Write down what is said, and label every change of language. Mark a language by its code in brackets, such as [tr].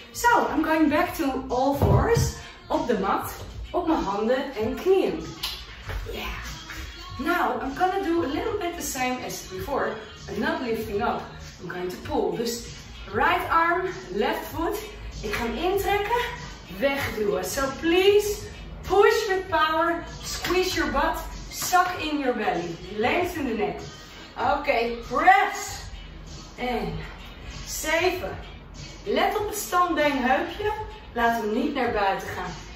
[en] So, I'm going back to all fours, [nl] op de mat, op mijn handen en knieën. [en] Yeah. Now, I'm gonna do a little bit the same as before, I'm not lifting up, I'm going to pull. [nl] Dus, [en] right arm, left foot, [nl] ik ga hem intrekken, wegduwen. [en] So, please, push with power, squeeze your butt, suck in your belly, lengthen the neck. Okay, press, and 7. [nl] Let op het standbeenheupje. Laat hem niet naar buiten gaan.